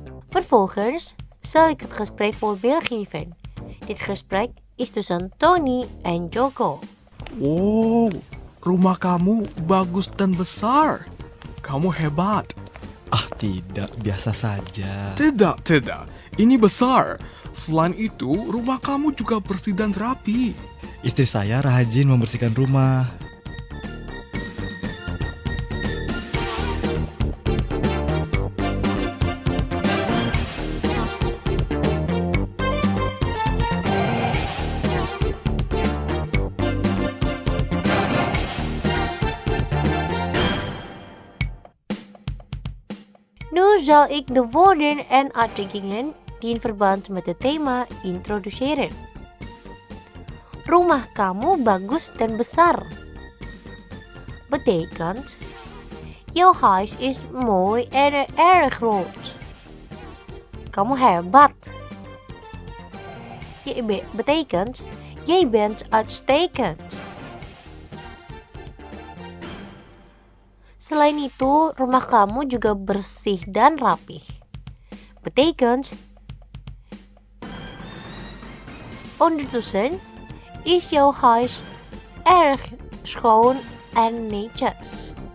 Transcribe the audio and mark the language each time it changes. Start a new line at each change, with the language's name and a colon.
Dutch: Vervolgens zal ik het gesprek voorbeeld geven. Dit gesprek is tussen Tony en Joko.
Indonesian: Oh, rumah kamu bagus dan besar. Kamu hebat. Ah, tidak, biasa saja. Tidak, tidak. Ini besar. Selain itu, rumah kamu juga bersih dan rapi. Istri saya rajin membersihkan rumah.
Dutch: Zal ik de woorden en uitdrukkingen die in verband met het thema introduceren.
Indonesian: Rumah kamu bagus dan besar.
Dutch: Betekent, jouw huis is mooi en erg groot. Kamu hebat. Betekent, jij bent uitstekend.
Indonesian: Selain itu, rumah kamu juga bersih dan rapi.
Dutch: Betekent, ondertussen is jouw huis erg schoon en netjes.